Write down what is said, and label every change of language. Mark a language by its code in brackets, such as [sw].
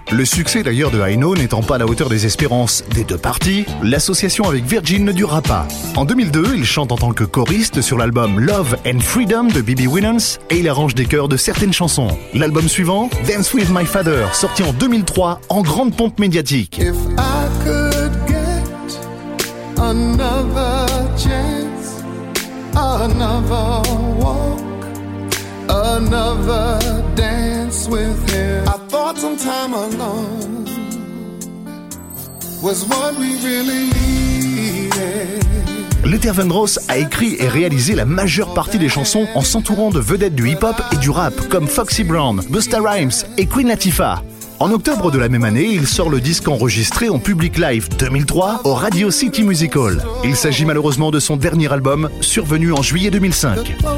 [fr] Le succès d'ailleurs de I Know n'étant pas à la hauteur des espérances des deux parties, l'association avec Virgin ne durera pas. En 2002, il chante en tant que choriste sur l'album Love and Freedom de B.B. Winans et il arrange des chœurs de certaines chansons. L'album suivant, Dance with My Father, sorti en 2003 en grande pompe médiatique. [en] If I could get another chance, another walk, another dance with him. I thought some time alone was what we really needed. [fr] Luther Vandross a écrit et réalisé la majeure partie des chansons en s'entourant de vedettes du hip-hop et du rap comme Foxy Brown, Busta Rhymes et Queen Latifah. En octobre de la même année, il sort le disque enregistré en public live 2003 au Radio City Music Hall. Il s'agit malheureusement de son dernier album, survenu en juillet 2005.